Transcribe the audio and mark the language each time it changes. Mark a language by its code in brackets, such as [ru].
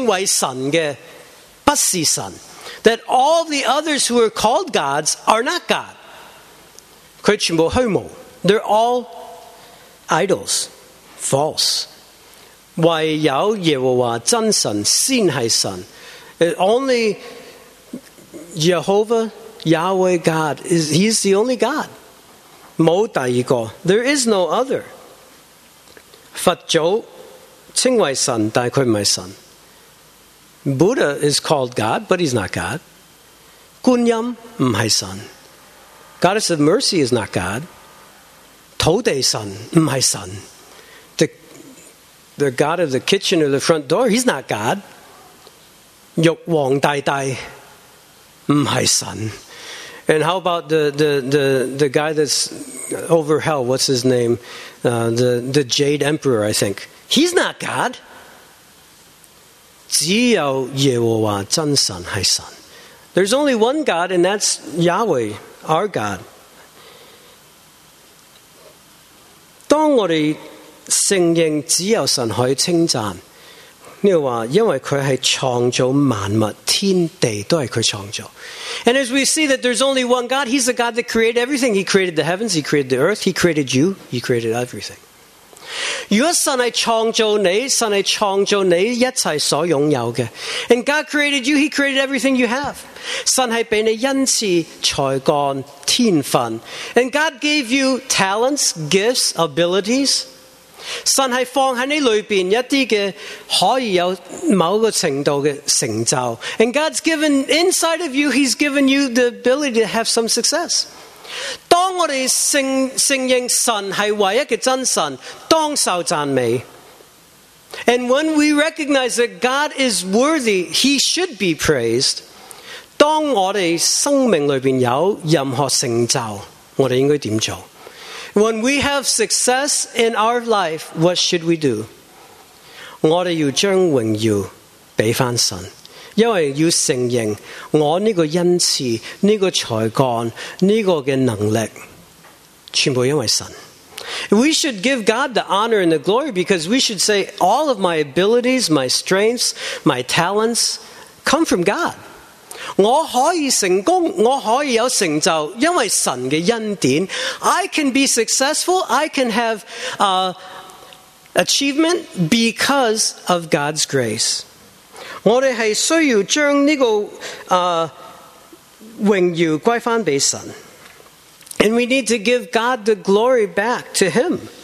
[yue] 其他所有的称为神的不是神。 [en] That all the others who are called gods are not God. [yue] 他全部虚无。 [en] They're all idols. False. [yue] 唯有耶和华真神先是神。 [en] Only Jehovah Yahweh God, He's the only God. [yue] 没有第二个, [en] there is no other. [yue] 佛祖称为神，但佢唔系神。 [en] Buddha is called God, but He's not God. [yue] 观音唔系神。 [en] Goddess of Mercy is not God. [yue] 土地神唔系神。 [en] The God of the kitchen or the front door, He's not God. [yue] 玉皇大帝唔系神。 [en] And how about the guy that's over hell? What's his name? The Jade Emperor, I think. He's not God. [yue] 只有耶和华真神是神。 [en] There's only one God, and that's Yahweh, our God. [yue] 当我哋承认只有神可以称赞，呢个话，因为佢系创造万物，天地都系佢创造。 [en] And as we see that there's only one God, He's the God that created everything. He created the heavens, He created the earth, He created you, He created everything. [yue] 如果神系创造你，神系创造你一切所拥有嘅。 [en] And God created you, He created everything you have. [yue] 神系俾你恩赐、才干、天分。 [en] And God gave you talents, gifts, abilities. [yue] 神系放喺你里边一啲嘅可以有某个程度嘅成就 [en] ，and God's given inside of you, He's given you the ability to have some success. [yue] 当我哋承认神系唯一嘅真神，当受赞美 [en] ，and when we recognize that God is worthy, He should be praised. [yue] 当我哋生命里边有任何成就，我哋应该点做？ [en] When we have success in our life, what should we do? [yue] 我哋要将荣耀俾翻神，因为要承认我呢个恩赐、呢个才干、呢个嘅能力，全部因为神。 [en] We should give God the honor and the glory because we should say all of my abilities, my strengths, my talents come from God. [yue] 我可以成功，我可以有成就，因为神嘅恩典。 [en] I can be successful, I can have achievement because of God's grace. [yue] 我哋系需要将呢个荣耀归翻俾神。 [en] And we need to give God the glory back to Him.